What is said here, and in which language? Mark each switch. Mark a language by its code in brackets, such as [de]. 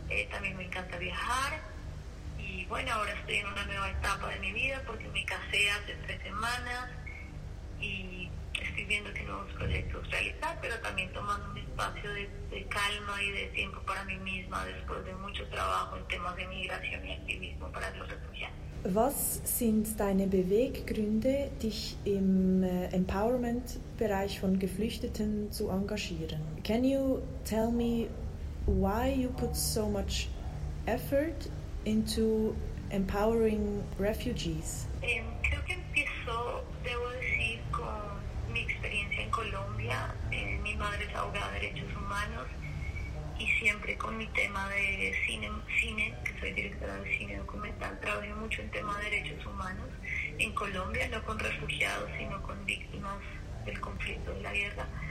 [es] También me encanta viajar. Y bueno, ahora estoy en una nueva etapa de mi vida porque me casé hace 3 semanas y estoy viendo qué nuevos proyectos realizar, pero también tomando un espacio de calma y de tiempo para mí misma después de mucho trabajo en temas de migración y activismo para los refugiados. [de] Was sind deine Beweggründe, dich im Empowerment-Bereich von Geflüchteten zu engagieren? [en] Can you tell me why you put so much effort into empowering refugees? [es] Creo que empiezo, debo decir, con mi experiencia en Colombia. Mi madre es abogada de derechos humanos y siempre con mi tema de cine, que soy directora de cine documental, trabajé mucho en tema de derechos humanos en Colombia, no con refugiados, sino con víctimas del conflicto de la guerra.